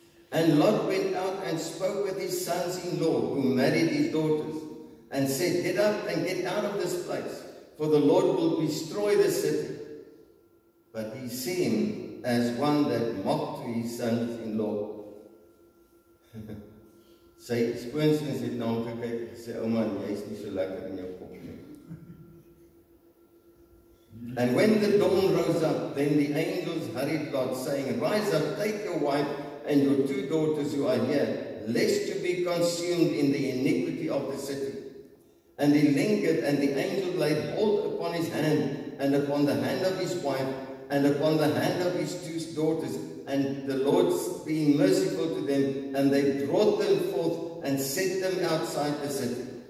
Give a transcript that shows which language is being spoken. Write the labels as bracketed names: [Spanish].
[English] And Lot went out and spoke with his sons-in-law who married his daughters and said, get up and get out of this place, for the Lord will destroy the city. But he seemed as one that mocked to his sons-in-law. [Afrikaans] Sy skoonseuns het na hom gekyk en sê, ouma, jy is nie so lekker in jou kop nie. [English] And when the dawn rose up, then the angels hurried Lot, saying, rise up, take your wife and your two daughters who are here, lest you be consumed in the iniquity of the city. And he lingered, and the angel laid hold upon his hand, and upon the hand of his wife, and upon the hand of his two daughters, and the Lord being merciful to them, and they brought them forth and set them outside the city.